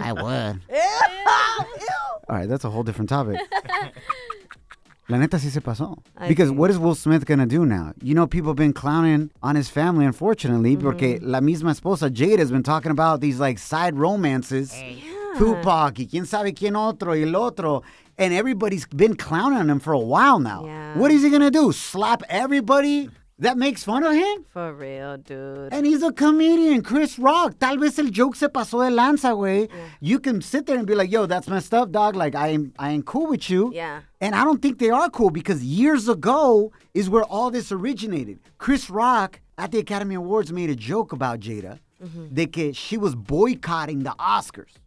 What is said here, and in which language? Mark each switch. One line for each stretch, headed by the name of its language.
English: I would. All right, that's a whole different topic.
Spanish: La neta sí se pasó.
English: Because what is Will Smith going to do now? You know, people have been clowning on his family, unfortunately,
Spanish: porque la misma esposa,
English: Jada, has been talking about these, like, side romances. Hey. Yeah.
Spanish: Tupac, y quién sabe quién otro, y el otro.
English: And everybody's been clowning on him for a while now. Yeah. What is he going to do? Slap everybody that makes fun of him? For real, dude. And he's a comedian, Chris Rock.
Spanish: Tal vez el joke se pasó de lanza, güey.
English: Yeah. You can sit there and be like, yo, that's messed up, dog. Like, I ain't cool with you. Yeah. And I don't think they are cool because years ago is where all this originated. Chris Rock, at the Academy Awards, made a joke about Jada. Mm-hmm.
Spanish: De que
English: she was boycotting the Oscars.